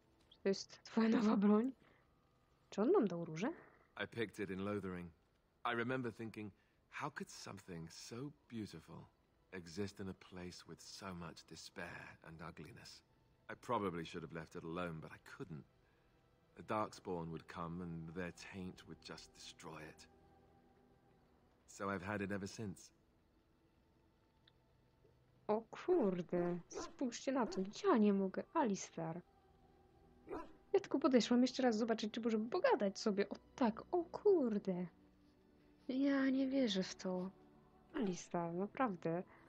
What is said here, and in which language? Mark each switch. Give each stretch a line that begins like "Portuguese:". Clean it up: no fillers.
Polish: Czy to jest twoja nowa broń? Czy on nam dał róże?
English: I picked it in Lothering. I remember thinking, how could something so beautiful exist in a place with so much despair and ugliness? I probably should have left it alone, but I couldn't. The Darkspawn would come and their taint would just destroy it. So I've had it ever since.
Polish: O kurde, spójrzcie na to, ja nie mogę, Alistair. Ja tylko podeszłam jeszcze raz zobaczyć, czy możemy pogadać sobie. O tak, o kurde. Ja nie wierzę w to. Alistair, naprawdę.